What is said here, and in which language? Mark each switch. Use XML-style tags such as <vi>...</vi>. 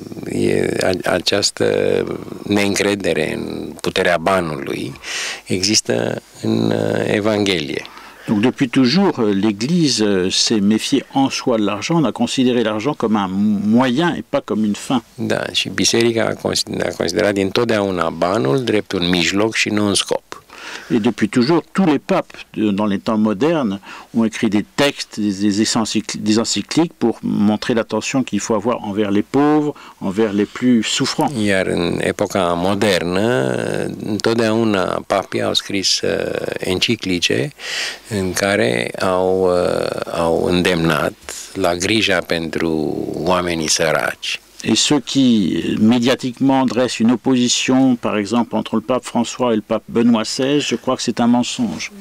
<fr>Il y a cette</fr> <ro>neîncredere en puterea banului. Există în Evanghelie.</ro> <fr>Donc depuis toujours, l'Église s'est méfiée en soi de l'argent. On a considéré l'argent comme un moyen et pas comme une fin.</fr> <ro>Da, și biserica a considerat dintotdeauna banul drept un mijloc și nu un scop.</ro> <fr>Et depuis toujours, tous les papes, dans les temps modernes, ont écrit des textes, des encycliques pour montrer l'attention qu'il faut avoir envers les pauvres, envers les plus souffrants.</fr> <ro>Iar în epoca modernă, întotdeauna papii au scris enciclice în care au îndemnat la grija pentru oamenii săraci.</ro> <fr>Et ceux qui médiatiquement dressent une opposition, par exemple, entre le pape François et le pape Benoît XVI, je crois que c'est un mensonge.</fr>